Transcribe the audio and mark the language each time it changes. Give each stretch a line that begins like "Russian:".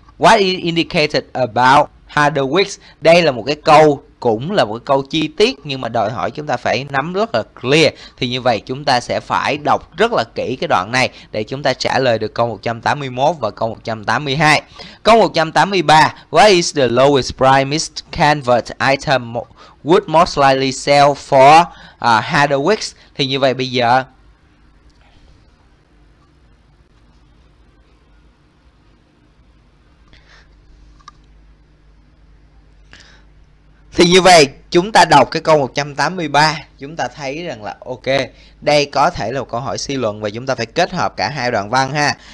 English: What is indicated about Hardwick?
Vietnamese: Đây là một cái câu, cũng là một cái câu chi tiết nhưng mà đòi hỏi chúng ta phải nắm rất là clear. Thì như vậy chúng ta sẽ phải đọc rất là kỹ cái đoạn này để chúng ta trả lời được câu 181 và câu 182. Câu 183.
English: What is the lowest priced canvas item would most likely sell for Hardwick?
Vietnamese: Thì như vậy bây giờ như vậy chúng ta đọc cái câu 183, chúng ta thấy rằng là ok, đây có thể là một câu hỏi suy luận và chúng ta phải kết hợp cả hai đoạn văn ha.